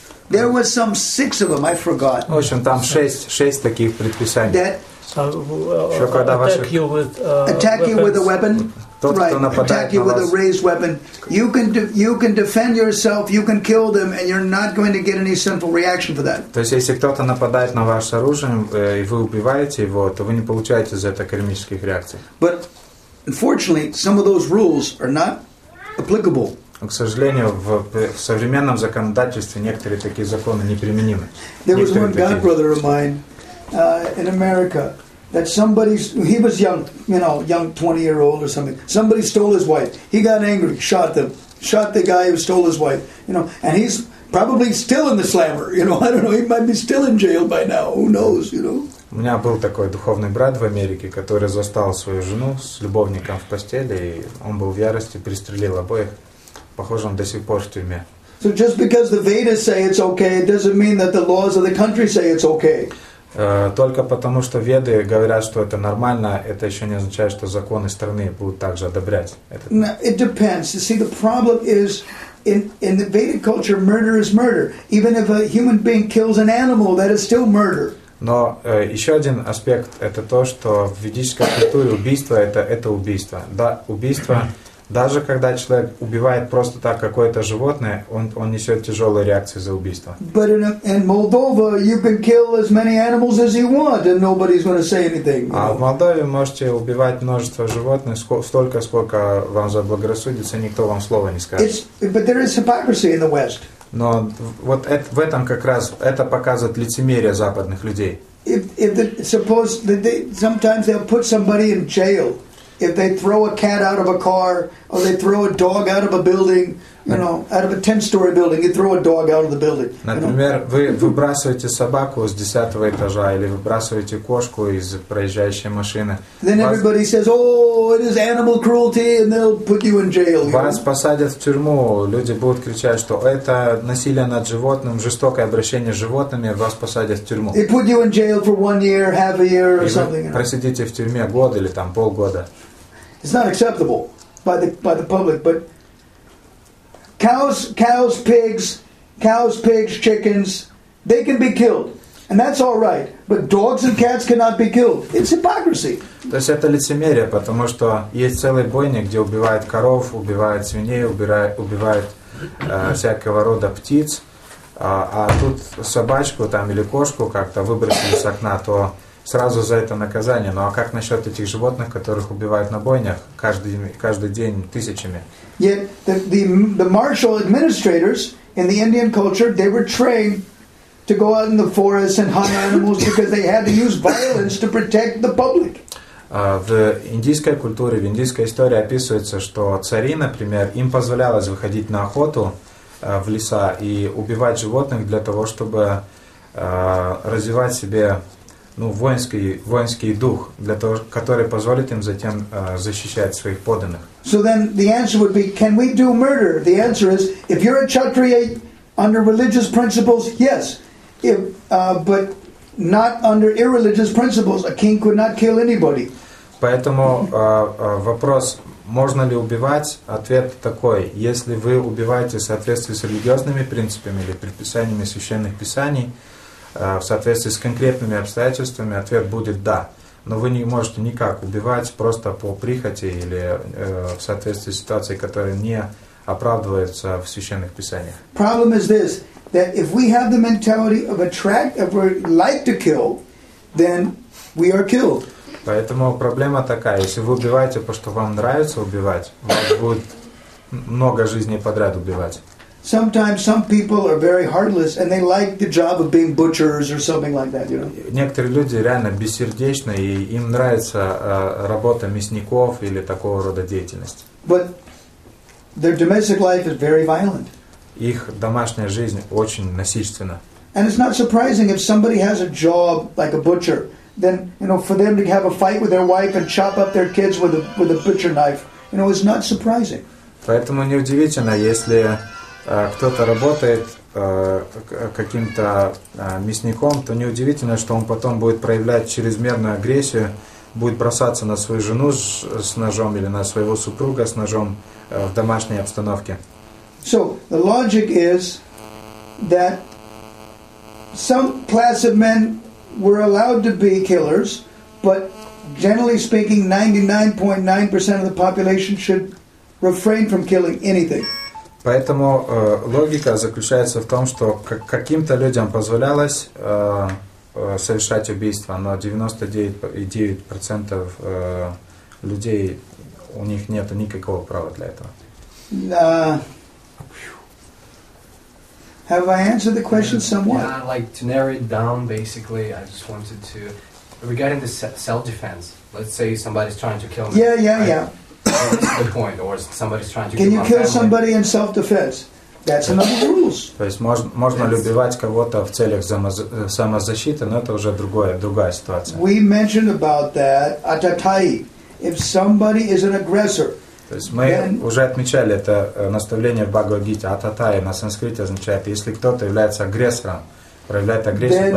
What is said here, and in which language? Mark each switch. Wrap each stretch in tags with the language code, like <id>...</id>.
<en>There was some six of them, I forgot.</en> <ru>В общем, там шесть таких предписаний.</ru> <en>Attack you with a weapon.</en> <ru>тот,</ru> <en>right,</en> <ru>кто нападает</ru> <en>attack you</en> <ru>на</ru> <en>with</en> <ru>вас,</ru> <en>a raised weapon, you can defend yourself, you can kill them, and you're not going to get any sinful reaction for that.</en> <ru>То есть, если кто-то нападает на ваше оружие и вы убиваете его, то вы не получаете за это кармических реакций.</ru> <en>But unfortunately, some of those rules are not applicable.</en> <ru>К сожалению, в современном законодательстве некоторые такие законы неприменимы.</ru> <en>There was one God brother of mine in America. That somebody—he was young, you know, young 20-year-old or something. Somebody stole his wife. He got angry, shot them, shot the guy who stole his wife, you know. And he's probably still in the slammer, you know. I don't know. He might be still in jail by now. Who knows, you know?</en> <ru>У меня был такой духовный брат в Америке, который застал свою жену с любовником в постели, и он был в ярости, пристрелил обоих. Похоже, он до сих пор в тюрьме.</ru> <en>So just because the Vedas say it's okay, it doesn't mean that the laws of the country say it's okay.</en> <ru>Только потому, что веды говорят, что это нормально, это еще не означает, что законы страны будут также одобрять это.</ru> <en>Now, it depends. You see, the problem is in the Vedic culture, murder is murder. Even if a human being kills an animal, that is still murder.</en> <ru>Но еще один аспект – это то, что в ведической культуре убийство – это убийство. Да, убийство, даже когда человек убивает просто так какое-то животное, он несет тяжелые реакции за убийство.</ru> <en>But in Moldova you can kill as many animals as you want and nobody's going to say anything.</en> <ru>А в Молдове можете убивать множество животных столько, сколько вам заблагорассудится, никто вам слова не скажет.</ru> <en>But there is hypocrisy in the West.</en> <ru>Но вот в этом как раз это показывает лицемерие западных людей.</ru> <en>Suppose that sometimes they'll put somebody in jail. If they throw a cat out of a car, or they throw a dog out of a building, you know, out of a 10-story building, you throw a dog out of the building.</en> <ru>Например, вы выбрасываете собаку с 10-го этажа, или выбрасываете кошку из проезжающей машины.</ru> <en>Then everybody says, "Oh, it is animal cruelty," and they'll put you in jail.</en> <ru>Вас посадят в тюрьму, люди будут кричать, что это насилие над животным, жестокое обращение с животными, вас посадят в тюрьму.</ru> <en>They put you in jail for 1 year, half a year, or something.</en> <ru>И вы просидите в тюрьме год или там полгода.</ru> <en>It's not acceptable by the public, but cows, pigs, chickens, they can be killed, and that's all right. But dogs and cats cannot be killed. It's hypocrisy.</en> <ru>То есть это лицемерие, потому что есть целые бойни, где убивают коров, убивают свиней, убивают всякого рода птиц, а тут собачку там или кошку как-то выбросили с окна, то сразу за это наказание. Ну а как насчет этих животных, которых убивают на бойнях каждый день тысячами?</ru> <en>Yet the martial administrators in the Indian culture, they were trained to go out in the forests and hunt animals because they had to use violence to protect the public.</en> <ru>В индийской культуре, в индийской истории описывается, что цари, например, им позволялось выходить на охоту в леса и убивать животных для того, чтобы развивать себе воинский дух, для того, который позволит им затем защищать своих подданных.</ru> <en>So then the answer would be, can we do murder? The answer is, if you're a Kshatriya under religious principles, yes. But not under irreligious principles, a king could not kill anybody.</en> <ru>Поэтому вопрос, можно ли убивать, ответ такой, если вы убиваете в соответствии с религиозными принципами или предписаниями священных писаний, в соответствии с конкретными обстоятельствами, ответ будет «да». Но вы не можете никак убивать просто по прихоти или в соответствии с ситуацией, которая не оправдывается в священных писаниях.</ru> <en>Problem is this, that if we have the mentality of attract, if we like to kill, then we are killed.</en> <ru>Поэтому проблема такая, если вы убиваете, потому что вам нравится убивать, вас будет много жизней подряд убивать.</ru> <en>Sometimes some people are very heartless and they like the job of being butchers or something like that, you know.</en> <ru>Некоторые люди реально бессердечны и им нравится работа мясников или такого рода деятельность.</ru> <en>But their domestic life is very violent.</en> <ru>Их домашняя жизнь очень насильственна.</ru> <en>And it's not surprising if somebody has a job like a butcher, then, you know, for them to have a fight with their wife and chop up their kids with a butcher knife, you know, it's not surprising.</en> <ru>Поэтому неудивительно, если кто-то работает каким-то мясником, то неудивительно, что он потом будет проявлять чрезмерную агрессию, будет бросаться на свою жену с ножом или на своего супруга с ножом в домашней обстановке.</ru> <en>So, the logic is that some class of men were allowed to be killers, but generally speaking, 99.9% of the population should refrain from killing anything.</en> <ru>Поэтому логика заключается в том, что каким-то людям позволялось совершать убийство, но 99.9% людей у них нет никакого права для этого.</ru> <en>Have I answered the question somewhat? Yeah, like to narrow it down, basically, I just wanted to, regarding the self-defense. Let's say somebody's trying to kill me. Yeah. The point, or somebody's trying to kill my family. Can you kill somebody in self-defense? That's another rules.</en> <ru>То есть можно ли убивать кого-то в целях самозащиты, но это уже другая ситуация.</ru> <en>We mentioned about that atatai. If somebody is an aggressor.</en> <ru>То есть мы уже отмечали это наставление в Бхагавад-гите. Ататай на санскрите означает, если кто-то является агрессором, проявляет агрессию по</ru>